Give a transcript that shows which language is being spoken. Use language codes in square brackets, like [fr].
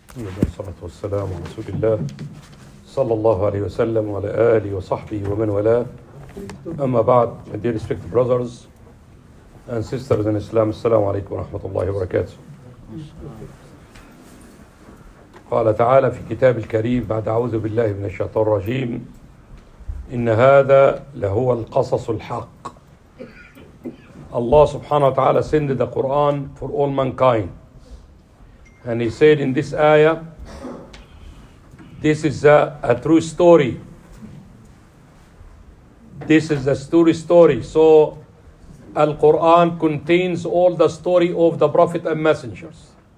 [ar] والصلاة والسلام على رسول الله صلى الله عليه وسلم وعلى آله وصحبه ومن والاه. أما بعد, [en] my dear respected brothers and sisters in Islam, [ar] السلام عليكم ورحمة الله وبركاته. قال تعالى في كتاب الكريم بعد أعوذ بالله من الشيطان الرجيم, إن هذا لهو القصص الحق. الله سبحانه وتعالى [en] send the Quran for all mankind. And he said in this ayah, this is a true story. This is a true story. So, Al-Quran contains all the story of the Prophet and messengers.